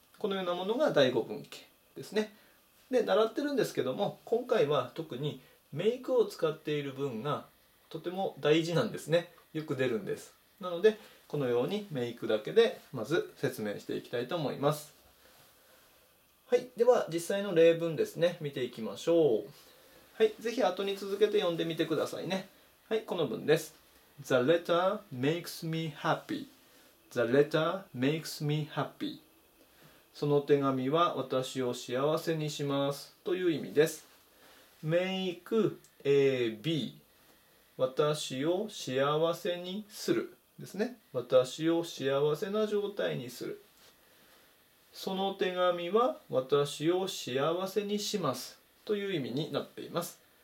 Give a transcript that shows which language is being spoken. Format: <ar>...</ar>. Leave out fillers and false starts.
<ja>このようなものが第五文型ですね。で、習ってるんですけども、今回は特にメイクを使っている文がとても大事なんですね。よく出るんです。なので、このようにメイクだけでまず説明していきたいと思います。はい、では実際の例文ですね、見ていきましょう。はい、ぜひ後に続けて読んでみてくださいね。はい、この文です。</ja> <en>The letter makes me happy. The letter makes me happy.</en> <ja>その手紙は私を幸せにしますという意味です。</ja> <en>Make a b</en> <ja>私を幸せにするですね。私を幸せな状態にする。その手紙は私を幸せにしますという意味になっています。</ja>